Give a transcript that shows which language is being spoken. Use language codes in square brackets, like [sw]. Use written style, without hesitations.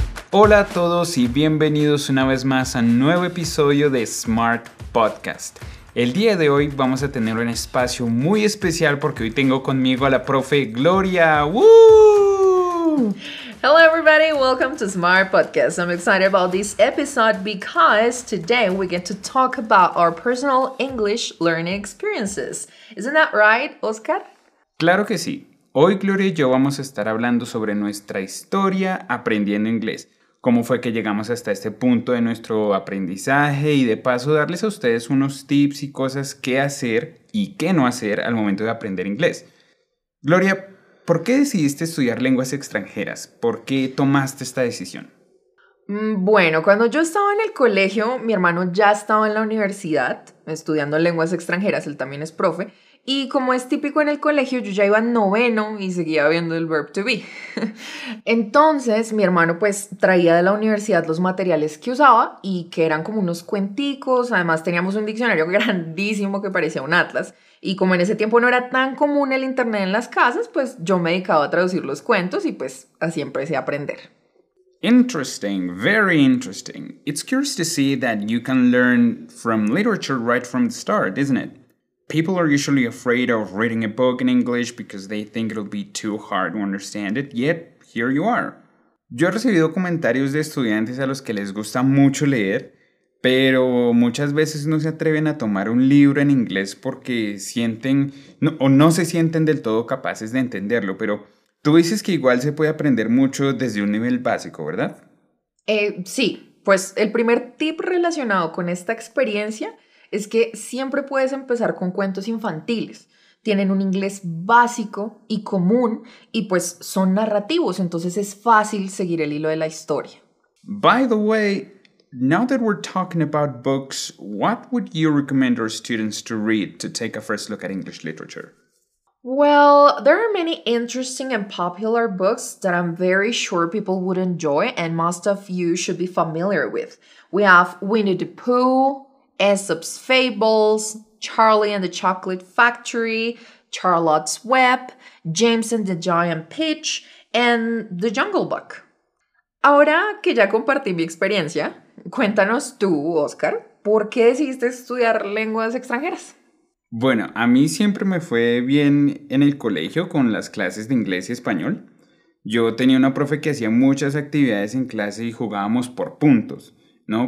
[es] Hola a todos y bienvenidos una vez más a un nuevo episodio de Smart Podcast. El día de hoy vamos a tener un espacio muy especial porque hoy tengo conmigo a la profe Gloria. ¡Woo! [en] Hello everybody, welcome to Smart Podcast. I'm excited about this episode because today we get to talk about our personal English learning experiences. Isn't that right, Oscar? [es] Claro que sí. Hoy Gloria y yo vamos a estar hablando sobre nuestra historia aprendiendo inglés. Cómo fue que llegamos hasta este punto de nuestro aprendizaje y de paso darles a ustedes unos tips y cosas que hacer y qué no hacer al momento de aprender inglés. Gloria, ¿por qué decidiste estudiar lenguas extranjeras? ¿Por qué tomaste esta decisión? Bueno, cuando yo estaba en el colegio, mi hermano ya estaba en la universidad estudiando lenguas extranjeras, él también es profe. Y como es típico en el colegio, yo ya iba noveno y seguía viendo el verb to be. Entonces, mi hermano pues traía de la universidad los materiales que usaba y que eran como unos cuenticos. Además, teníamos un diccionario grandísimo que parecía un atlas. Y como en ese tiempo no era tan común el internet en las casas, pues yo me dedicaba a traducir los cuentos y pues así empecé a aprender. [en] Interesting, very interesting. It's curious to see that you can learn from literature right from the start, isn't it? People are usually afraid of reading a book in English because they think it'll be too hard to understand it, yet here you are. [es] Yo he recibido comentarios de estudiantes a los que les gusta mucho leer, pero muchas veces no se atreven a tomar un libro en inglés porque sienten, no se sienten del todo capaces de entenderlo, pero tú dices que igual se puede aprender mucho desde un nivel básico, ¿verdad? Sí, pues el primer tip relacionado con esta experiencia es que siempre puedes empezar con cuentos infantiles. Tienen un inglés básico y común y pues son narrativos, entonces es fácil seguir el hilo de la historia. [en] By the way, now that we're talking about books, what would you recommend our students to read to take a first look at English literature? Well, there are many interesting and popular books that I'm very sure people would enjoy and most of you should be familiar with. We have Winnie the Pooh, Aesop's Fables, Charlie and the Chocolate Factory, Charlotte's Web, James and the Giant Peach, and The Jungle Book. [es] Ahora que ya compartí mi experiencia, cuéntanos tú, Oscar, ¿por qué decidiste estudiar lenguas extranjeras? Bueno, a mí siempre me fue bien en el colegio con las clases de inglés y español. Yo tenía una profe que hacía muchas actividades en clase y jugábamos por puntos, ¿no?